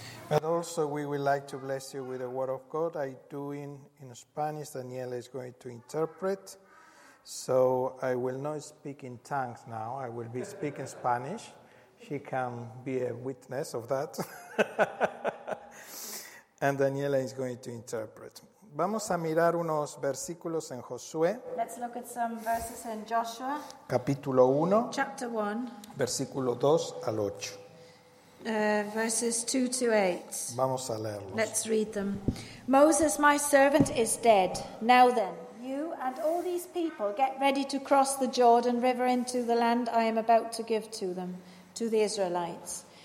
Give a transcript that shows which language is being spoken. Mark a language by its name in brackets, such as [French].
[English] But also we would like to bless you with the word of God. I do in Spanish. Daniela is going to interpret. So I will not speak in tongues now. I will be speaking Spanish. She can be a witness of that. And Daniela is going to interpret. [Spanish] Vamos a mirar unos versículos en Josué. [English] Let's look at some verses in Joshua. [Spanish] Capítulo 1. [English] Chapter 1. [Spanish] Versículo 2 al 8. [English] Verses 2 to 8. [Spanish] Vamos a leerlos. [English] Let's read them. Moses, my servant, is dead. Now then, you and all these people get ready to cross the Jordan River into the land I am about to give to them, to the Israelites.